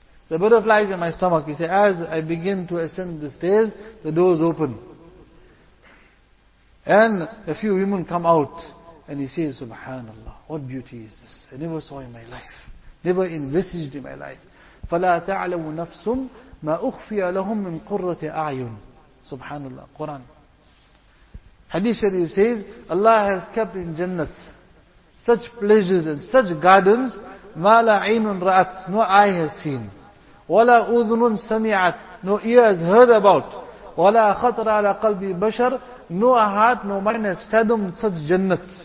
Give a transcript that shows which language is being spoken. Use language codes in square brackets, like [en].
[en] The butterflies in my stomach. He says, as I begin to ascend the stairs, the doors open. And a few women come out. And he says, Subhanallah, what beauty is this? I never saw in my life. Never envisaged in my life. [ar] فَلَا تَعْلَمُ نَفْسٌ مَا أُخْفِيَ لَهُمْ مِنْ قُرَّةِ أَعْيُنٍ Subhanallah. [en] Quran. Hadith Sharif says, Allah has kept in Jannah such pleasures and such gardens, [ar] مَا لَا عَيْنٌ رَأَتْ [en] No eye has seen. [ar] وَلَا أُذْنٌ سَمِعَتْ [en] No ear has heard about. [ar] وَلَا خَطْرَ عَلَى قَلْبِ بَشَرْ [en] No heart, no mind has fathomed such Jannah.